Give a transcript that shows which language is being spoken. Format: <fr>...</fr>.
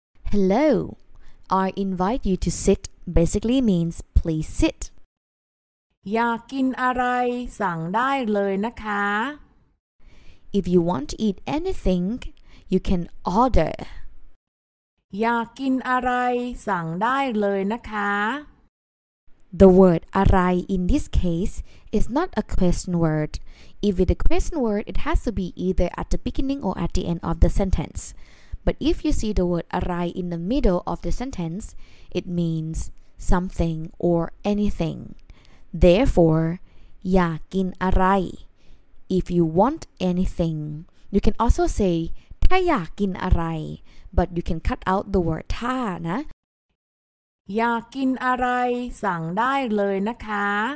<en>hello I invite you to sit basically means please sit</en> <th>อยากกินอะไรสั่งได้เลยนะคะ</th> <en>If you want to eat anything, you can order.</en> <th>อยากกินอะไรสั่งได้เลยนะคะ</th> <en>The word อะไร in this case is not a question word. If it's a question word, it has to be either at the beginning or at the end of the sentence. But if you see the word อะไร in the middle of the sentence, it means something or anything. Therefore,</en> <th>อยากกินอะไร</th> <en>If you want anything, you can also say</en> <th>ถ้าอยากกินอะไร</th> <en>but you can cut out the word ถ้านะ</en> <th>อยากกินอะไรสั่งได้เลยนะคะ</th>